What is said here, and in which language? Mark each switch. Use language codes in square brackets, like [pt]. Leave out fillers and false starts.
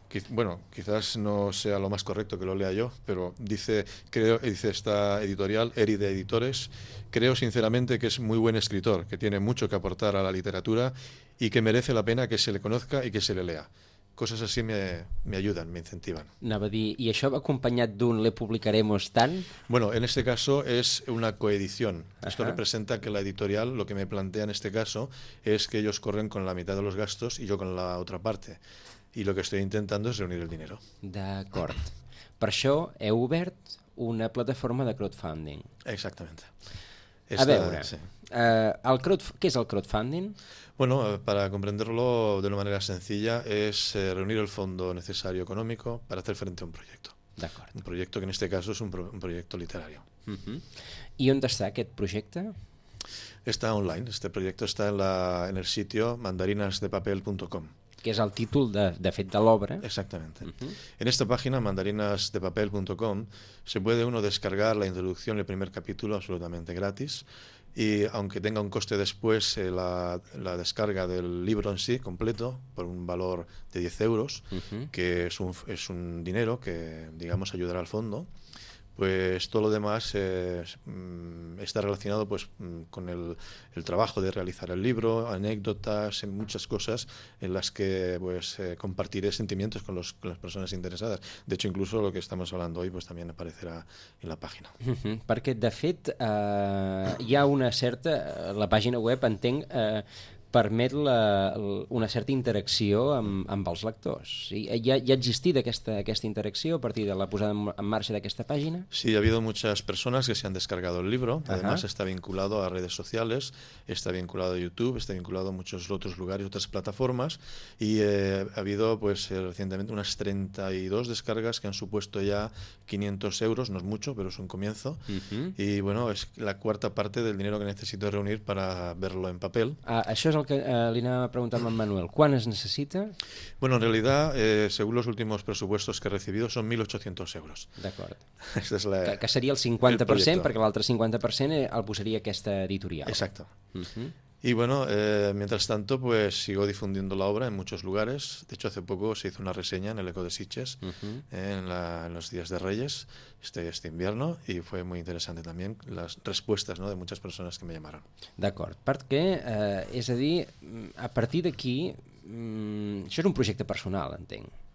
[es] Bueno, quizás no sea lo más correcto que lo lea yo, pero dice esta editorial, Eri de Editores, creo sinceramente que es muy buen escritor, que tiene mucho que aportar a la literatura y que merece la pena que se le conozca y que se le lea. [ca] Coses així me ajuden, me incentiven. Anava a dir, i això va acompanyat d'un [es] Le publicaremos [ca] tant? [es] Bueno, en este caso es una coedición. Esto representa que la editorial, lo que me plantea en este caso, es que ellos corren con la mitad de los gastos y yo con la otra parte. Y lo que estoy intentando es reunir el dinero. [ca] D'acord. Per això heu obert una plataforma de crowdfunding. [es] Exactamente. [ca] Esta, a veure, sí. Què és el crowdfunding? [es] Bueno, para comprenderlo de una manera sencilla, es reunir el fondo necesario económico para hacer frente a un proyecto. [ca] D'acord. [es] Un proyecto que en este caso es un proyecto literario. [ca] I on està aquest projecte? [es] Está online. Este proyecto está en el sitio mandarinasdepapel.com. [ca] Que és el títol de fet de l'obra. [es] Exactamente. En esta página, mandarinasdepapel.com, se puede uno descargar la introducción y el primer capítulo absolutamente gratis, y aunque tenga un coste después la descarga del libro en sí completo, por un valor de 10 euros, que es un dinero que, digamos, ayudará al fondo, pues todo lo demás está relacionado pues con el trabajo de realizar el libro, anécdotas, muchas cosas en las que pues compartiré sentimientos con las personas interesadas. De hecho, incluso lo que estamos hablando hoy pues también aparecerá en la página. [ca] Perquè, de fet, hi ha una certa... La pàgina web, entenc, permet una certa interacció amb els lectors. Hi ha existit aquesta interacció a partir de la posada en marxa d'aquesta pàgina? [es] Sí, ha habido muchas personas que se han descargado el libro. Además, está vinculado a redes sociales, está vinculado a YouTube, está vinculado a muchos otros lugares, otras plataformas, y ha habido pues recientemente unas 32 descargas que han supuesto ya 500 euros, no es mucho, pero es un comienzo. Y bueno, es la cuarta parte del dinero que necesito reunir para verlo en papel. [ca] Això és el que li anava a preguntar a en Manuel. Quan es necessita? [es] Bueno, en realidad, según los últimos presupuestos que he recibido, son 1.800 euros. [ca] D'acord. [es] Esta es la... [ca] que seria el 50%, perquè l'altre 50% el posaria aquesta editorial. [es] Exacto. Y bueno, mientras tanto, pues sigo difundiendo la obra en muchos lugares. De hecho, hace poco se hizo una reseña en el Eco de Sitges, en los Días de Reyes, este invierno, y fue muy interesante también las respuestas, ¿no?, de muchas personas que me llamaron. [ca] D'acord, perquè, és a dir, a partir d'aquí, això era un projecte personal, entenc.